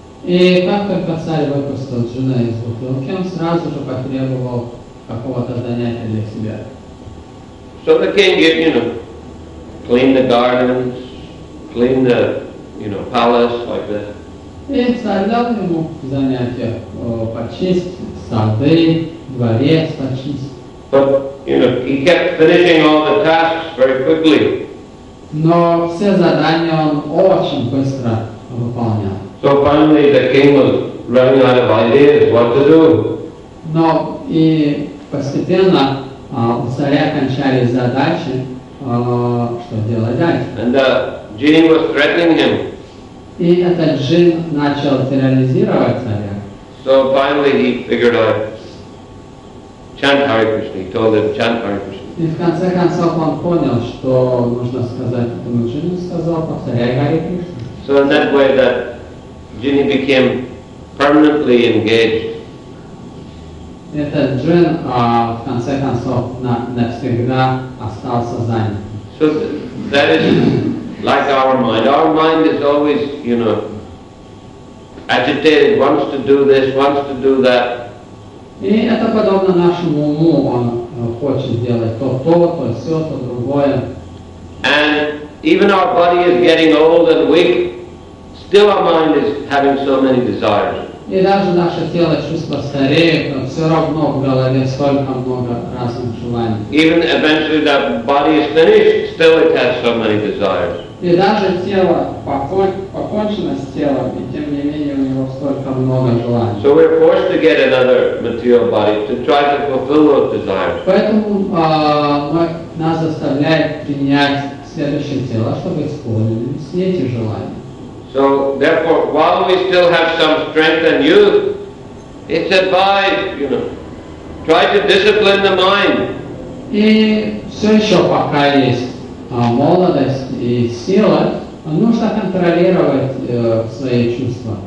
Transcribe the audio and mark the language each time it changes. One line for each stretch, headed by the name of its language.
Russian: И как только царь выпустил джина из бутылки, он сразу же потребовал какого-то занятия для себя.
English: So the king did, you know, clean the gardens, clean the, you know, palace like that.
Russian: И царь дал ему занятия почистить сады, дворец почистить.
English: But, you know, he kept finishing all the tasks very quickly.
Russian: Но все задания он очень быстро выполнял.
English: So finally the king was running out of ideas what to do.
Russian: Но и постепенно у царя кончались задачи, что делать дальше.
English: And the genie was threatening him.
Russian: И этот джин начал терроризировать царя.
English: So finally he figured out chant Hare Krishna. He told him chant Hare Krishna.
Russian: И в конце концов он понял, что нужно сказать этому джину, сказал повторяй Hare Krishna.
English: So in that way that genie became permanently engaged.
Russian: Этот джин в конце концов навсегда остался занят.
English: So that is like our mind is always, you know, agitated, wants to do this, wants to do that.
Russian: И это подобно нашему уму, он хочет делать то-то, то-сё, то-другое.
English: And even our body is getting old and weak, still our mind is having so many desires.
Russian: И даже наше тело чувство стареет, но всё равно в голове столько много разных желаний.
English: Even eventually that body is finished, still it has so many desires.
Russian: И даже тело, покончено с телом, и тем не менее у него столько много желаний.
English: So we're forced to get another material body to try to fulfill those desires.
Russian: Поэтому нас заставляет принять следующее тело, чтобы исполнить все эти желания.
English: So therefore, while we still have some strength and youth, it's advised, you know, try to discipline the mind.
Russian: И все еще пока есть молодость и сила, нужно контролировать свои чувства.